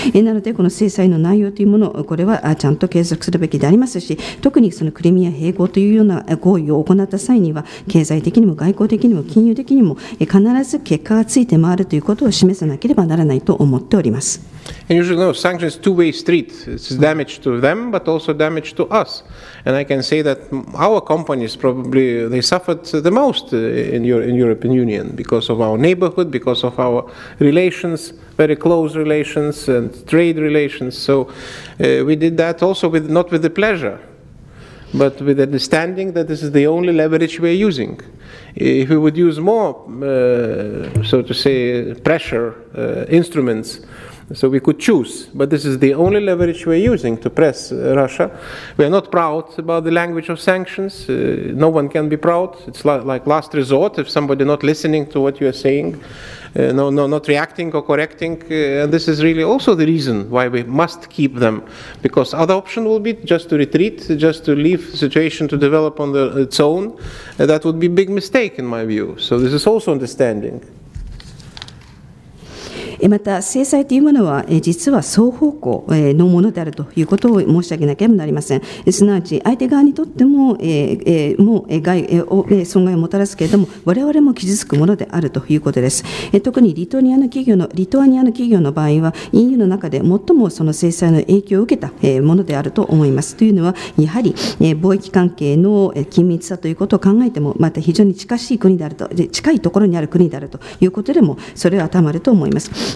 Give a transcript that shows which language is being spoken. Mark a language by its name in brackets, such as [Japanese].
[Japanese] なので、この制裁の内容というもの、これはちゃんと継続するべきでありますし、特にそのクリミア併合というような合意を行った際には、経済的にも外交的にも金融的にも必ず結果がついて回るということを示さなければならないと思っております。 [English] And usually, no, sanctions two-way street. It's damage to them, but also damage to us. And I can say that our companies probably they suffered the most in European Union because of our neighborhood, because of our relations, very close relations and trade relations. So we did that also with not with the pleasure, but with understanding that this is the only leverage we are using. If we would use more, so to say, pressure instruments, so we could choose. But this is the only leverage we're using to press Russia. We are not proud about the language of sanctions. No one can be proud. It's like last resort if somebody not listening to what you are saying, not reacting or correcting. And this is really also the reason why we must keep them. Because other option will be just to retreat, just to leave the situation to develop on its own. That would be a big mistake in my view. So this is also understanding. [Japanese] また制裁というものは実は双方向のものであるということを申し上げなければなりません。すなわち相手側にとっても、もう害を損害をもたらすけれども我々も傷つくものであるということです。特にリトアニアの企業の場合は EU の中で最もその制裁の影響を受けたものであると思います。というのはやはり貿易関係の緊密さということを考えてもまた非常に近しい国であると近いところにある国であるということでもそれはたまると思います。